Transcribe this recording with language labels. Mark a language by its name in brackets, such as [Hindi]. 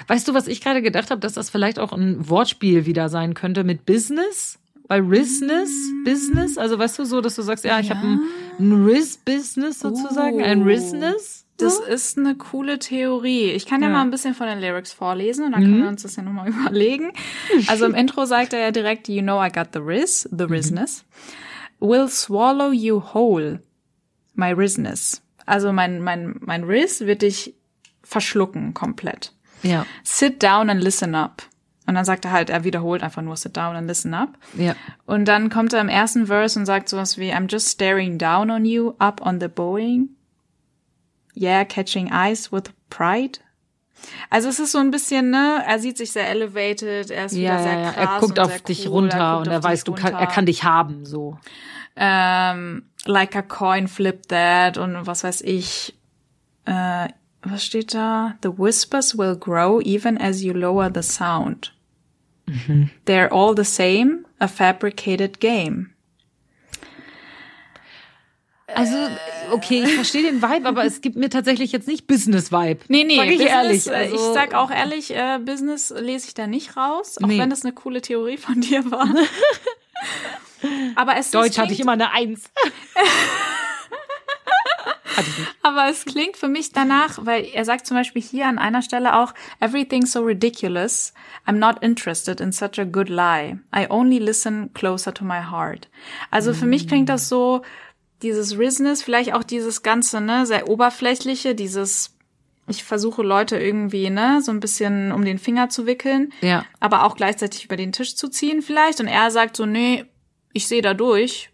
[German] Weißt du, was ich gerade gedacht habe, dass das vielleicht auch ein Wortspiel wieder sein könnte mit Business? Bei Rizness? Business? Also weißt du so, dass du sagst, ich habe ein Riz-Business sozusagen, ein Rizness? So? Das ist eine coole Theorie. Ich kann mal ein bisschen von den Lyrics vorlesen und dann können wir uns das ja nochmal überlegen. Also im Intro sagt er ja direkt, [English] you know I got the Rizness. Will swallow you whole, my Rizness. [German] Also mein Riz wird dich verschlucken komplett. Ja. [English] Sit down and listen up. [German] Und dann sagt er halt, er wiederholt einfach nur [English] sit down and listen up. [German] Ja. Und dann kommt er im ersten Verse und sagt sowas wie, [English] I'm just staring down on you, up on the Boeing. Yeah, catching eyes with pride. [German] Also es ist so ein bisschen, ne, er sieht sich sehr elevated, er ist wieder sehr krass. Er guckt auf dich runter und er weiß, er kann dich haben, so. [English] Like a coin, flip that [German] und was weiß ich. Was steht da? [English] The whispers will grow even as you lower the sound. Mhm. They're all the same, a fabricated game. [German] Also, okay, ich verstehe den Vibe, aber es gibt mir tatsächlich jetzt nicht Business-Vibe. Nee, sag ich Business, ehrlich. Also, ich sag auch ehrlich, Business lese ich da nicht raus, auch wenn das eine coole Theorie von dir war. Aber es Deutsch hatte ich immer eine Eins. Hatte ich nicht. Aber es klingt für mich danach, weil er sagt zum Beispiel hier an einer Stelle auch, [English] everything's so ridiculous, I'm not interested in such a good lie. I only listen closer to my heart. [German] Also für mich klingt das so, dieses Business, vielleicht auch dieses Ganze, ne, sehr oberflächliche, dieses, ich versuche Leute irgendwie, ne, so ein bisschen um den Finger zu wickeln, ja, aber auch gleichzeitig über den Tisch zu ziehen vielleicht. Und er sagt so, nee, ich sehe da durch.